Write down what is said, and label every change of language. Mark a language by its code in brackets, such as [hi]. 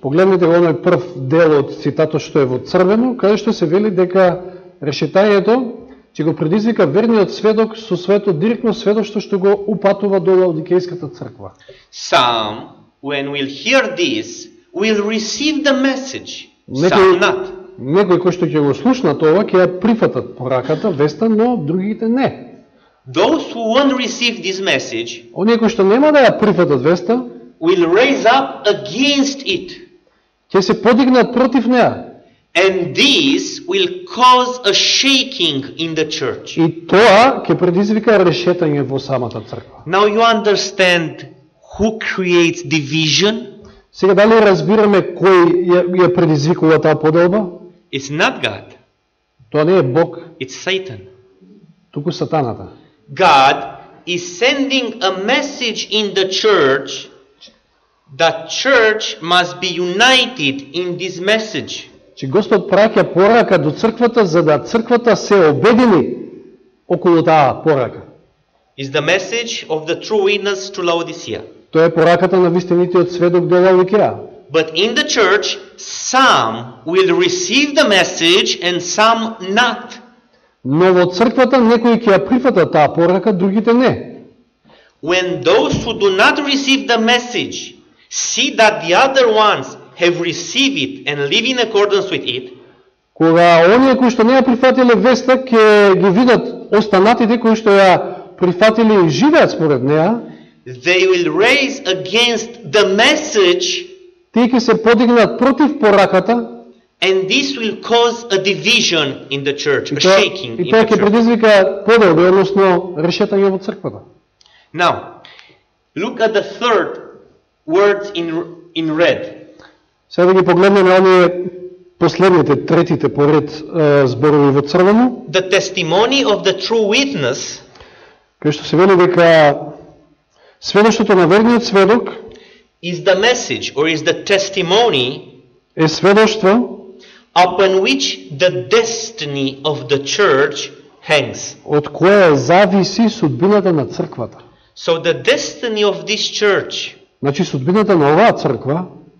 [mk] Погледнете го оној прв дел од цитатот што е во црвено, каде што се вели дека решетањето ќе го предизвика верниот сведок со своето директно сведоќство што го упатува до Лаодикејската црква. [en] Some when we'll hear this will receive the message. [mk] Некои кои што ќе го слушнат ова ќе ја прифатат пораката, веста, но другите не. [en] Those who won't receive this message, [mk] оние кои што нема да ја прифатат веста, [en] will raise up against it. [mk] Ќе се подигнат против неа. [en] And this will cause a shaking in the church. [mk] И тоа ќе предизвика решетање во самата црква. [en] Now you understand who creates division? [mk] Сега дали разбираме кој ја предизвикува таа поделба? [en] It's not God. [mk] Тоа не е Бог. [en] It's Satan. [mk] Туку Сатаната. [en] God is sending a message in the church that church must be united in this message. [mk] Че Господ праќа порака до црквата за да црквата се обедини околу таа порака. [en] Is the message of the true witness to Laodicea. [mk] Тоа е пораката на вистинитиот сведок до Лаодикеа. [en] But in the church some will receive the message and some not. [mk] Но во црквата некои ќе ја прифатат таа порака, другите не. [en] When those who do not receive the message see that the other ones have received it and live in accordance with it. [mk] Кога оние кои што не ја прифатиле веста ќе ги видат останатите кои што ја прифатиле и живеат според неа, [en] they will raise against the message. [mk] Тие ќе се подигнат против пораката. [en] And this will cause a division in the church, a shaking. [mk] И тоа ќе предизвика подел, односно решетање во црквата. [en] Now, look at the third words in red. [mk] Сега да ги погледнеме оние последните, третите поред зборови во црвено. [en] The testimony of the true witness. [mk] Кај што се вели дека сведоштото на верниот сведок [en] is the message or is the testimony [mk] е сведоштво [en] upon which the destiny of the church hangs. [mk] Од која зависи судбината на црквата. [en] So the destiny of this church. [mk] Значи судбината на оваа црква